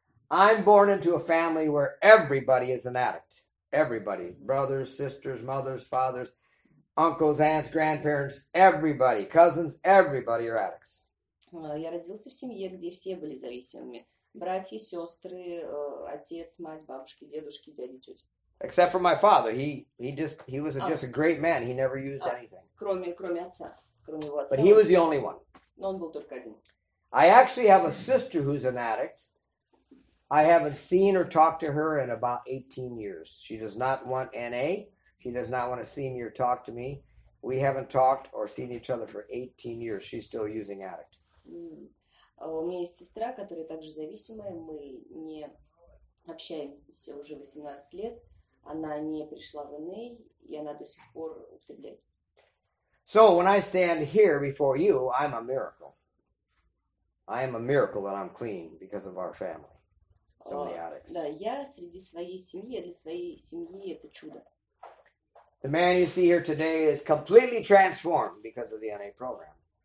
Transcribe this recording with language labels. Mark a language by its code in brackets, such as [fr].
[en] I'm born into a family where everybody is an addict. Everybody. Brothers, sisters, mothers, fathers, uncles, aunts, grandparents, everybody. Cousins, everybody are addicts. [ru] Я родился в семье, где все были зависимыми. Братья, сестры, отец, мать, бабушки, дедушки, дяди, тети. [en] Except for my father. He was just a great man. He never used anything. [ru] Кроме отца. Кроме его отца. [en] But he was the only one. [ru] Но он был только один. [en] I actually have a sister who's an addict. I haven't seen or talked to her in about 18 years. She does not want NA. She does not want to see me or talk to me. We haven't talked or seen each other for 18 years. She's still using addict. [ru] У меня есть сестра, которая также зависимая. Мы не общаемся уже 18 лет. Она не пришла в НА, и она до сих пор употребляет. [en] So when I stand here before you, I'm a miracle. I am a miracle that I'm clean because of our family. [ru] Да, я среди своей семьи, для своей семьи это чудо. [en] The man you see here today is completely transformed because of the NA program.